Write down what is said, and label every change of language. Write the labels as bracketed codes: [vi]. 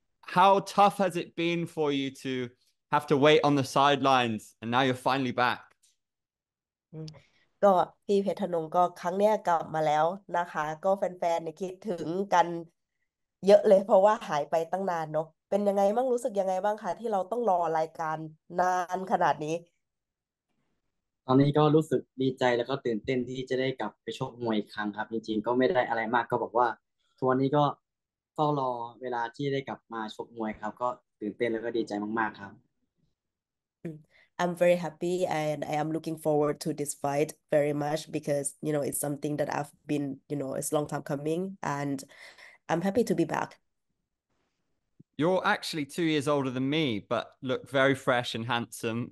[en] How tough has it been for you to have to wait on the sidelines, and now you're finally back? [th] ก็พี่เพชรธนงก็ครั้งเนี้ยกลับมาแล้วนะคะก็แฟนๆเนี่ยคิดถึงกันเยอะเลยเพราะว่าหายไปตั้งนานเนาะเป็นยังไงบ้างรู้สึกยังไงบ้างคะที่เราต้องรอรายการนานขนาดนี้ ตอนนี้ก็รู้สึกดีใจแล้วก็ตื่นเต้นที่จะได้กลับไปชกมวยอีกครั้งครับจริงๆก็ไม่ได้อะไรมากก็บอกว่าทัวร์นี้ก็เฝ้ารอเวลาที่ได้กลับมาชกมวยครับก็ตื่นเต้นแล้วก็ดีใจมากๆครับ [en] I'm very happy and I am looking forward to this fight very much because you know it's something that I've been you know it's long time coming and I'm happy to be back. You're actually 2 years older than me, but look very fresh and handsome.